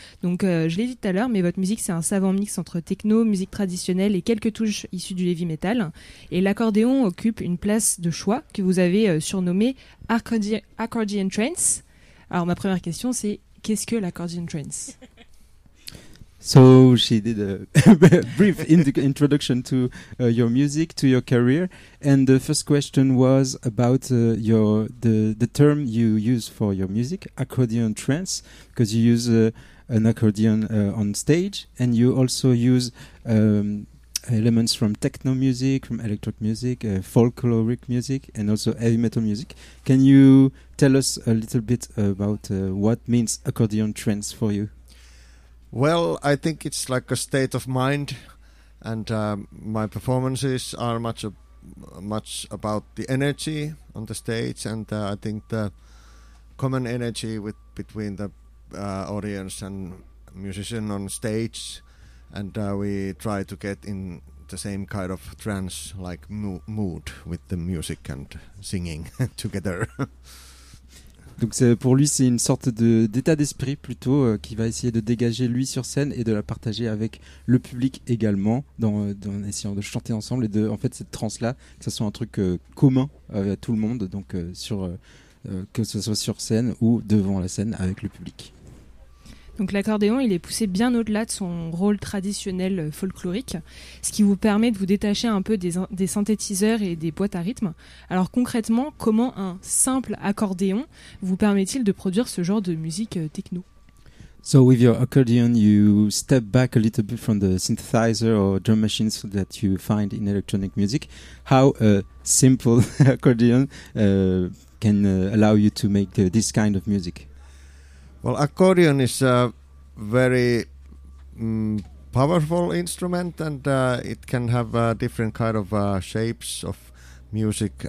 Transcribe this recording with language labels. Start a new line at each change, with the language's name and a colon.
French: Donc je l'ai dit tout à l'heure, mais votre musique c'est un savant mix entre techno, musique traditionnelle et quelques touches issues du heavy metal. Et l'accordéon occupe une place de choix que vous avez surnommée Accordion Trance. Alors ma première question c'est, qu'est-ce que l'accordion trance?
English: So she did a brief introduction to your music, to your career, and the first question was about the term you use for your music, accordion trance, because you use an accordion on stage, and you also use elements from techno music, from electric music, folkloric music, and also heavy metal music. Can you tell us a little bit about what means accordion trance for you? Well, I think it's like a state of mind, and my performances are much about the energy on the stage, and I think the common energy between the audience and musician on stage, and we try to get in the same kind of trance, like mood with the music and singing together.
French: Donc pour lui, c'est une sorte d'état d'esprit plutôt qu'il va essayer de dégager lui sur scène et de la partager avec le public également, dans essayant de chanter ensemble et de, en fait, cette transe-là, que ce soit un truc commun à tout le monde, donc que ce soit sur scène ou devant la scène avec le public. Donc l'accordéon, il est poussé bien au-delà de son rôle traditionnel folklorique, ce qui vous permet de vous détacher un peu des synthétiseurs et des boîtes à rythme. Alors concrètement, comment un simple accordéon vous permet-il de produire ce genre de musique techno?
English: So with your accordion, you step back a little bit from the synthesizer or drum machines that you find in electronic music. How a simple accordion can allow you to make this kind of music? Well, accordion is a very powerful instrument, and it can have different kind of shapes of music.